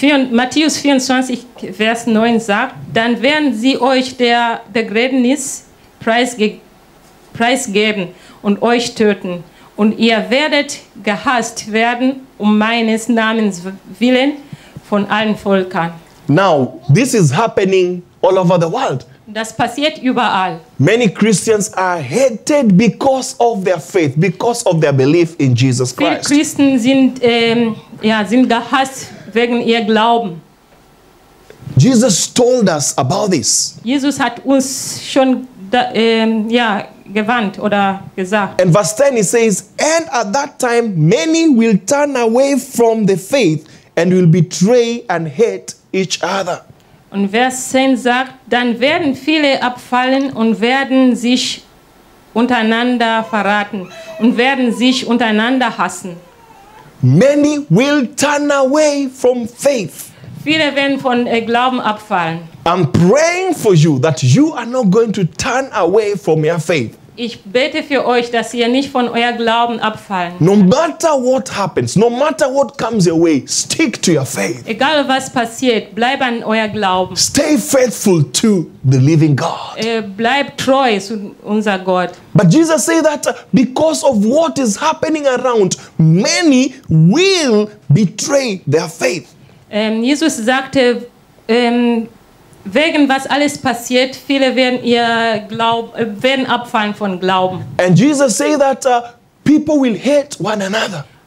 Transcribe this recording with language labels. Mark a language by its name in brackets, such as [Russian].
[German] Matthäus 24, Vers 9 sagt, dann werden sie euch der Gräbnis preisgeben und euch töten. Und ihr werdet gehasst werden um meines Namens willen von allen Völkern. [English] Now, this is happening all over the world. [German] Das passiert überall. [English] Many Christians are hated because of their faith, because of their belief in Jesus Christ. [German] Viele Christen sind gehasst wegen ihr Glauben. [English] Jesus told us about this. [German] Jesus hat uns schon gewarnt oder gesagt. [English] And verse 10 he says, and at that time many will turn away from the faith and will betray and hate each other. [German] Und Vers 10 sagt, dann werden viele abfallen und werden sich untereinander verraten und werden sich untereinander hassen. [English] Many will turn away from faith. [German] Viele werden von Glauben abfallen. [English] I'm praying for you that you are not going to turn away from your faith. [German] Ich bete für euch, dass ihr nicht von euer Glauben abfallen. [English] No matter what happens, no matter what comes your way, stick to your faith. [German] Egal was passiert, bleib an euer Glauben. [English] Stay faithful to the living God. [German] Bleib treu zu unser Gott. [English] But Jesus said that because of what is happening around, many will betray their faith. [German] Jesus sagte, wegen was alles passiert, viele werden ihr werden abfallen von Glauben. [English] And Jesus say that people will hate one another.